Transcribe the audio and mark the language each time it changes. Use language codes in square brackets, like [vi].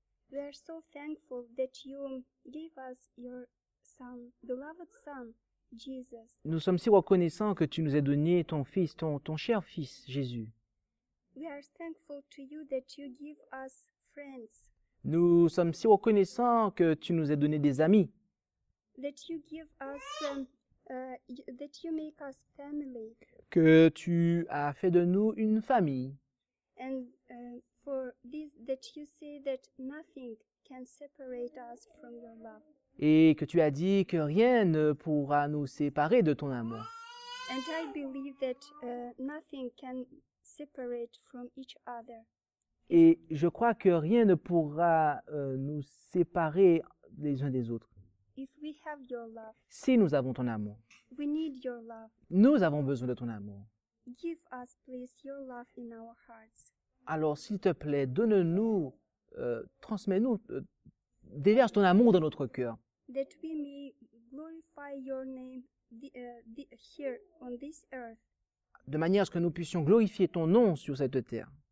[en] We are so thankful that you gave us your son, beloved son, Jesus. [fr] Nous sommes si reconnaissants que tu nous aies donné ton fils, ton cher fils, Jésus. [en] We are thankful to you that you give us friends. [fr] Nous sommes si reconnaissants que tu nous aies donné des amis. [en] That you give us that you make us family. [fr] Que tu as fait de nous une famille. [en] And for this that you say that nothing can separate us from your love. [fr] Et que tu as dit que rien ne pourra nous séparer de ton amour. [en] And I believe that nothing can separate from each other. [fr] Et je crois que rien ne pourra nous séparer les uns des autres. [en] If we have your love, [fr] si nous avons ton amour, [en] we need your love. [fr] Nous avons besoin de ton amour. [en] Give us, please, your love in our hearts. [fr] Alors, s'il te plaît, donne-nous, transmets-nous, déverse ton amour dans notre cœur. [en] That we may glorify your name here on this earth. [fr] De manière à ce que nous puissions glorifier ton nom sur cette terre.